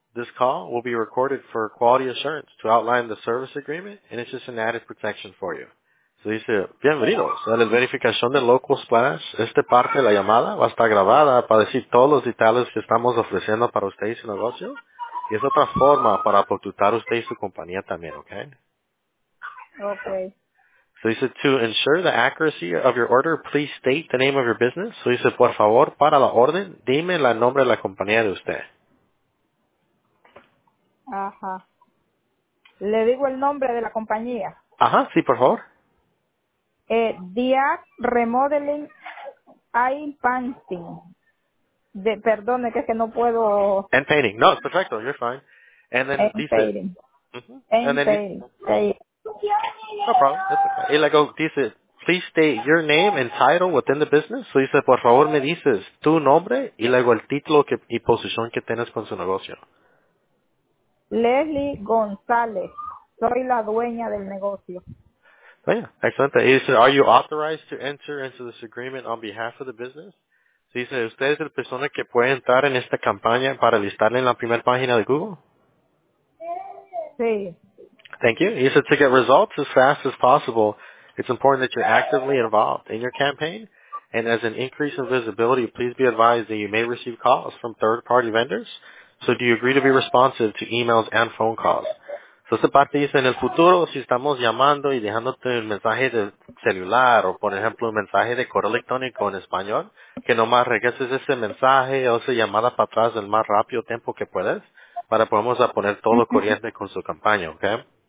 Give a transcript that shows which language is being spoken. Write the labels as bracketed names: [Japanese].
[English] This call will be recorded for quality assurance to outline the service agreement, and it's just an added protection for you. [Spanish] So dice, bienvenidos a la verificación de Local Splash. Esta parte de la llamada va a estar grabada para decir todos los detalles que estamos ofreciendo para usted y su negocio. Y es otra forma para protegerte usted y su compañía también, okay? Okay. So dice, [English] to ensure the accuracy of your order, please state the name of your business. [Spanish] So dice, por favor, para la orden, dime el nombre de la compañía de usted. Ajá. Le digo el nombre de la compañía. Ajá, sí, por favor. Diac Remodeling Eye Painting. Perdone, que es que no puedo... [English] And Painting. No, it's perfecto. You're fine. And then and [Spanish] dice... [English] Painting. Mm-hmm. And Painting. No problem. That's okay. [Spanish] Y luego dice, [English] please state your name and title within the business. [Spanish] So dice, por favor, me dices tu nombre y luego el título que, y posición que tienes con su negocio. Leslie González. Soy la dueña del negocio. [English] Oh, yeah. Excellent. He said, are you authorized to enter into this agreement on behalf of the business? So he said, [Spanish] ¿usted es la persona que puede entrar en esta campaña para listarle en la primera página de Google? Sí. [English] Thank you. He said, to get results as fast as possible, it's important that you're actively involved in your campaign. And as an increase in visibility, please be advised that you may receive calls from third-party vendors. So do you agree to be responsive to emails and phone calls? [Spanish] So esta parte dice, en el futuro, si estamos llamando y dejándote un mensaje de celular o, por ejemplo, un mensaje de correo electrónico en español, que nomás regreses ese mensaje o esa llamada para atrás el más rápido tiempo que puedes para podamos poner todo corriente con su campaña, ¿okay?